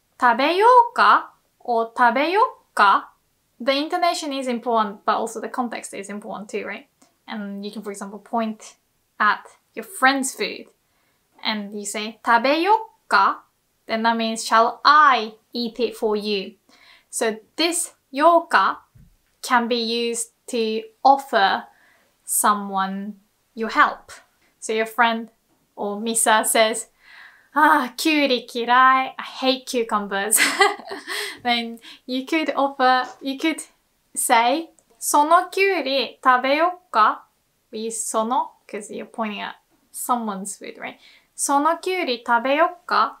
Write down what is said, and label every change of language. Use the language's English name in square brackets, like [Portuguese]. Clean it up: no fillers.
[Japanese] 食べようか or 食べようか, [English] the intonation is important, but also the context is important too, right? And you can, for example, point at your friend's food and you say [Japanese] 食べようか, [English] then that means shall I eat it for you? So this ようか can be used to offer someone your help. So your friendOr Misa says, ah, [Japanese] kiwi kirai, [English] I hate cucumbers. Then you could offer, you could say, [Japanese] そのきゅうり食べよっか? [English] We use その, because you're pointing at someone's food, right? [Japanese] そのきゅうり食べよっか?